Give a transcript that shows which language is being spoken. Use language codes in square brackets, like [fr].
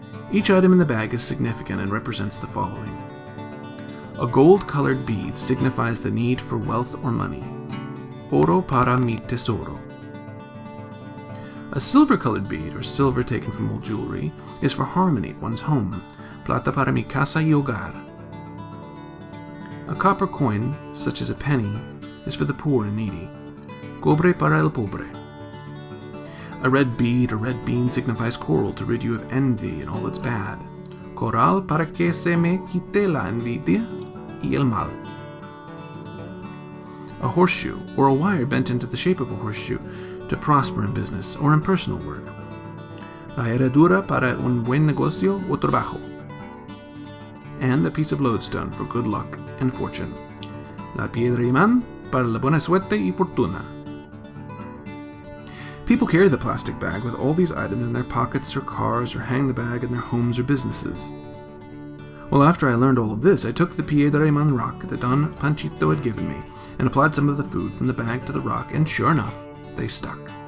[en] Each item in the bag is significant and represents the following. A gold-colored bead signifies the need for wealth or money. [es] Oro para mi tesoro. [en] A silver-colored bead, or silver taken from old jewelry, is for harmony, one's home. [es] Plata para mi casa y hogar. [en] A copper coin, such as a penny, is for the poor and needy. [es] Cobre para el pobre. [en] A red bead or red bean signifies coral to rid you of envy and all its bad. [es] Coral para que se me quite la envidia y el mal. [en] A horseshoe or a wire bent into the shape of a horseshoe to prosper in business or in personal work. [es] La herradura para un buen negocio o trabajo. [en] And a piece of lodestone for good luck and fortune. [es] La piedra imán para la buena suerte y fortuna. [en] People carry the plastic bag with all these items in their pockets or cars or hang the bag in their homes or businesses. Well, after I learned all of this, I took the Piedra Imán rock that Don Panchito had given me and applied some of the food from the bag to the rock, and sure enough, they stuck.